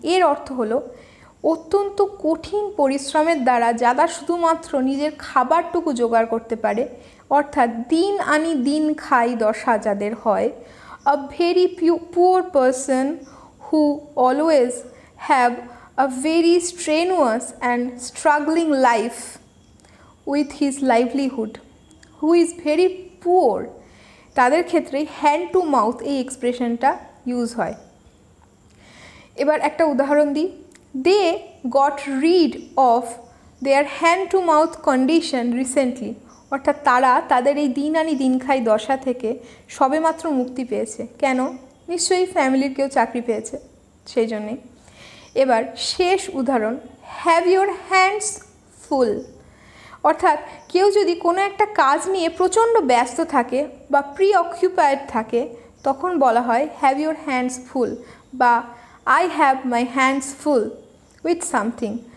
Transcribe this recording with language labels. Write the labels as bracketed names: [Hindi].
[Bangla] এর অর্থ হলো অত্যন্ত কঠিন পরিশ্রমের দ্বারা যারা শুধুমাত্র নিজের খাবারটুকু জোগাড় করতে পারে, অর্থাৎ দিন আনি দিন খাই দশা যাদের হয়, [English] a very poor person who always have a very strenuous and struggling life with his livelihood, who is very poor, [Bangla] তাদের ক্ষেত্রে হ্যান্ড টু মাউথ এই এক্সপ্রেশনটা ইউজ হয়। এবার একটা উদাহরণ দিই। [English] They got rid of their hand-to-mouth condition recently. [Bangla] অর্থাৎ তারা তাদের এই দিন আনি দিন খাই দশা থেকে সবেমাত্র মুক্তি পেয়েছে। কেন? নিশ্চয়ই ফ্যামিলির কেউ চাকরি পেয়েছে সেই জন্যে। এবার শেষ উদাহরণ, [English] Have your hands full. [Bangla] অর্থাৎ কেউ যদি কোনো একটা কাজ নিয়ে প্রচণ্ড ব্যস্ত থাকে বা প্রি অকিউপায়েড থাকে, তখন বলা হয় হ্যাভ ইওর হ্যান্ডস ফুল বা [English] I have my hands full with something.